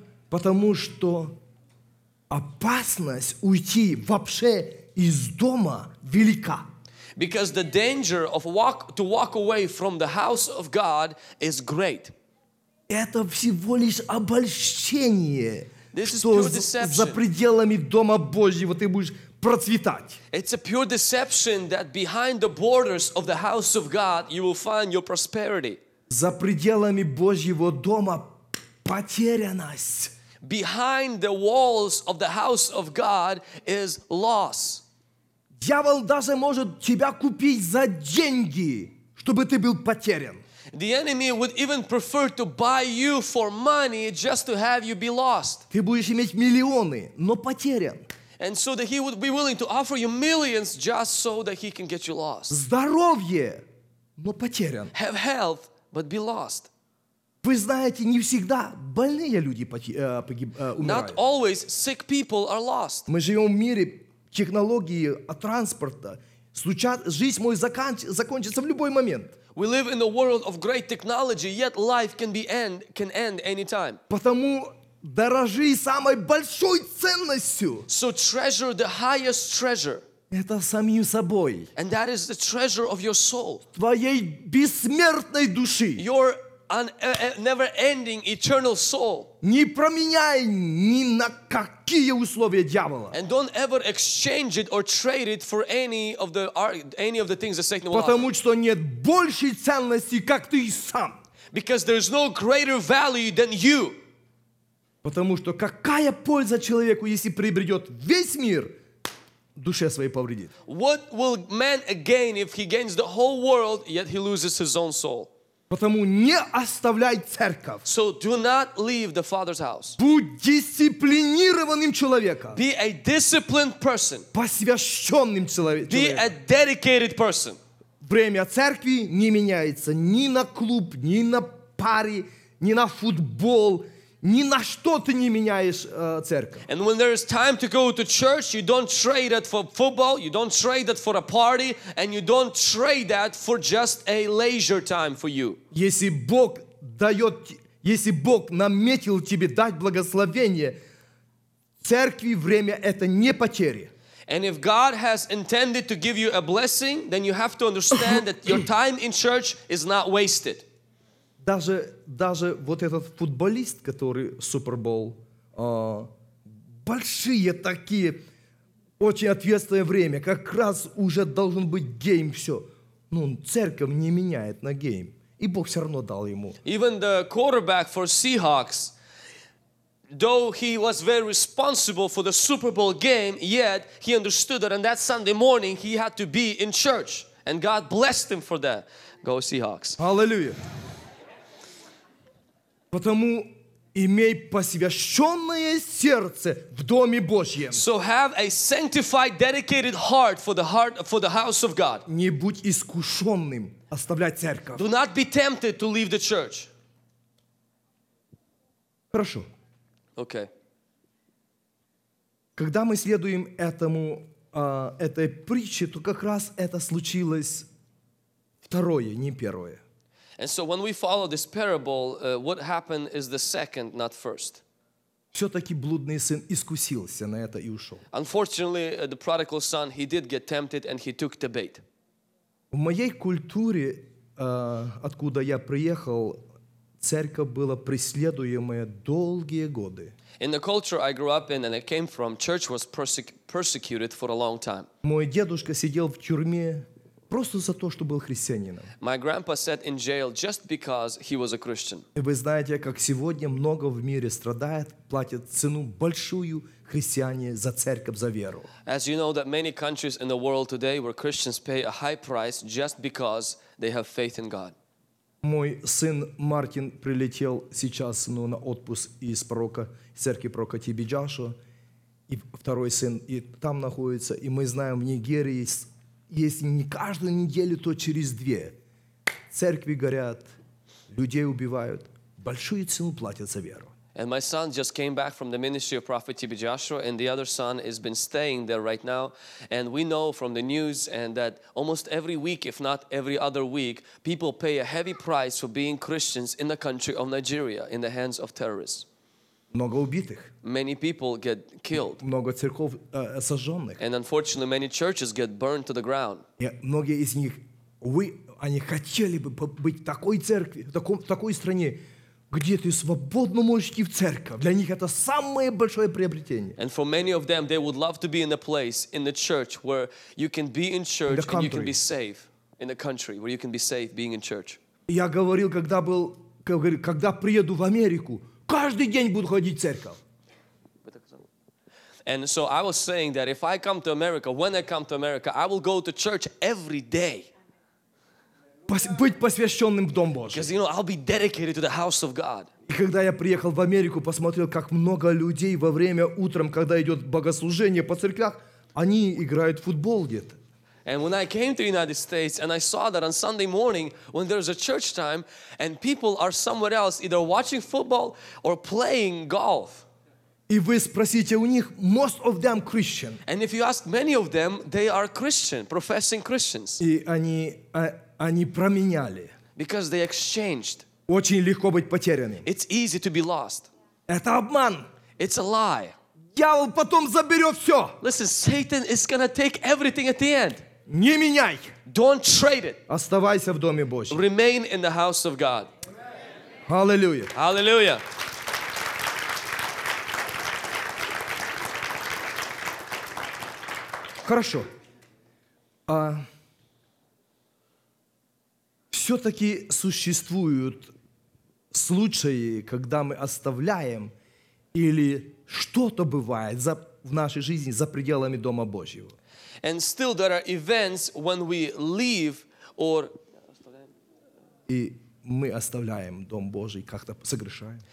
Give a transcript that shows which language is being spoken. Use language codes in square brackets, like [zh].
[ru] Потому что опасность уйти вообще из дома велика. [en] Because the danger of walk away from the house of God is great. [ru] Это всего лишь обольщение. [en] This is pure deception. [ru] За пределами дома Божьего ты будешь процветать. [en] It's a pure deception that behind the borders of the house of God you will find your prosperity. [ru] За пределами Божьего дома потерянность. [en] Behind the walls of the house of God is loss. [ru] Дьявол даже может тебя купить за деньги, чтобы ты был потерян. [en] The enemy would even prefer to buy you for money just to have you be lost. [ru] Ты будешь иметь миллионы, но потерян. [en] And so that he would be willing to offer you millions just so that he can get you lost. [ru] Здоровье, но потерян. [en] Have health, but be lost. [ru] Вы знаете, не всегда больные люди умирают. [en] Not always sick people are lost. [ru] Мы живем в мире технологии транспорта. Жизнь может закончиться в любой момент. [en] We live in a world of great technology, yet life can end anytime. [ru] Потому дорожи самой большой ценностью. [en] So treasure the highest treasure. [ru] Это самим собой. [en] And that is the treasure of your soul. [ru] Твоей бессмертной души. [en] Your never-ending eternal soul. [ru] Не променяй ни на какие условия дьявола. [en] And don't ever exchange it or trade it for any of the things that Satan will offer. [ru] Потому что нет большей ценности, как ты сам. [en] Because there's no greater value than you. [ru] Потому что какая польза человеку, если приобретет весь мир, душе своей повредит. [en] What will man gain if he gains the whole world, yet he loses his own soul? [ru] Потому не оставляй церковь. [en] So do not leave the Father's house. [ru] Будь дисциплинированным человеком. [en] Be a disciplined person. [ru] Посвященным человеком. [en] Be a dedicated person. [ru] Время церкви не меняется ни на клуб, ни на пары, ни на футбол. Ни на что ты не меняешь церковь. [en] And when there is time to go to church, you don't trade it for football, you don't trade it for a party, and you don't trade that for just a leisure time for you. [ru] Если Бог дает, если Бог наметил тебе дать благословение, церкви время это не потеря. [en] And if God has intended to give you a blessing, then you have to understand that your time in church is not wasted. [ru] Даже вот этот футболист, который Супербол, большие такие, очень ответственное время, как раз уже должен быть гейм, все. Ну, церковь не меняет на гейм. И Бог все равно дал ему. [en] Even the quarterback for Seahawks, though he was very responsible for the Super Bowl game, yet he understood that on that Sunday morning he had to be in church. And God blessed him for that. Go Seahawks. Hallelujah. [ru] Потому имей посвященное сердце в доме Божьем. [en] So have a sanctified, dedicated heart for the heart for the house of God. [ru] Не будь искушенным оставлять церковь. [en] Do not be tempted to leave the church. [ru] Хорошо. [en] Okay. [ru] Когда мы следуем этому этой притче, то как раз это случилось второе, не первое. [en] And so when we follow this parable, what happened is the second, not first. [ru] Все-таки блудный сын искусился на это и ушел. [en] Unfortunately, the prodigal son, he did get tempted and he took the bait. [ru] В моей культуре, откуда я приехал, церковь была преследуемая долгие годы. [en] In the culture I grew up in and I came from, church was persecuted for a long time. [ru] Мой дедушка сидел в тюрьме. Просто за то, что был христианином. [en] My grandpa sat in jail just because he was a Christian. [ru] И вы знаете, как сегодня много в мире страдает, платят цену большую христиане за церковь, за веру. [en] As you know that many countries in the world today where Christians pay a high price just because they have faith in God. [ru] Мой сын Мартин прилетел сейчас, ну, на отпуск из порока, церкви пророка Тиби Джошуа, и второй сын и там находится, и мы знаем, в Нигерии есть. Если не каждую неделю, то через две. Церкви горят, людей убивают. Большую цену платят за веру. [en] And my son just came back from the ministry of Prophet T.B. Joshua, and the other son has been staying there right now. And we know from the news and that almost every week, if not every other week, people pay a heavy price for being Christians in the country of Nigeria in the hands of terrorists. [ru] Много убитых. [en] Many people get killed. [ru] Много церков сожженных. [en] And unfortunately, many churches get burned to the ground. [ru] Многие из них, они хотели бы быть в такой церкви, в такой стране, где ты свободно можешь идти в церковь. Для них это самое большое приобретение. [en] And for many of them, they would love to be in a place in the church where you can be in church and you can be safe in the country where you can be safe being in church. [ru] Я говорил, когда был, когда приеду в Америку. Каждый день буду ходить в церковь. [en] And so I was saying that if I come to America, when I come to America, I will go to church every day. [ru] Быть посвященным в Дом Божий. [en] Because, you know, I'll be dedicated to the house of God. [ru] И когда я приехал в Америку, посмотрел, как много людей во время утром, когда идет богослужение по церквях, они играют в футбол где-то. [en] And when I came to the United States and I saw that on Sunday morning when there's a church time and people are somewhere else either watching football or playing golf. [ru] И вы спросите у них, [en] most of them Christian. And if you ask many of them, they are Christian, professing Christians. [ru] И они променяли. [en] Because they exchanged. [ru] Очень легко быть потерянным. [en] It's easy to be lost. [ru] Это обман. [en] It's a lie. [ru] Дьявол потом заберет все. [en] Listen, Satan is gonna take everything at the end. [ru] Не меняй. [en] Don't trade it. [ru] Оставайся в доме Божьем. [en] Remain in the house of God. Hallelujah. Hallelujah. [ru] Хорошо. Все-таки существуют случаи, когда мы оставляем или что-то бывает в нашей жизни за пределами дома Божьего. [en] And still there are events when we leave or [ru] и мы оставляем дом Божий, как-то согрешаем.